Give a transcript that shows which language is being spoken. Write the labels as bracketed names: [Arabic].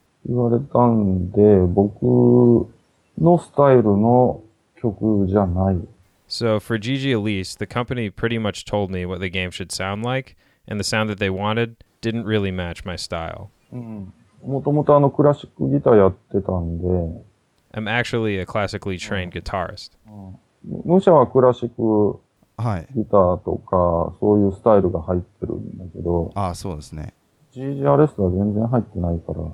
[Japanese] 言われたんで、僕のスタイルの曲じゃない。 [English] So for GG Elise, the company pretty much told me what the game should sound like, and the sound that they wanted didn't really match my style. [Japanese] もともとあのクラシックギターやってたんで。 [English] I'm actually a classically trained guitarist. [Japanese] ムシャはクラシックギターとか、そういうスタイルが入ってるんだけど。あ、そうですね。 GG アレストは全然入ってないから。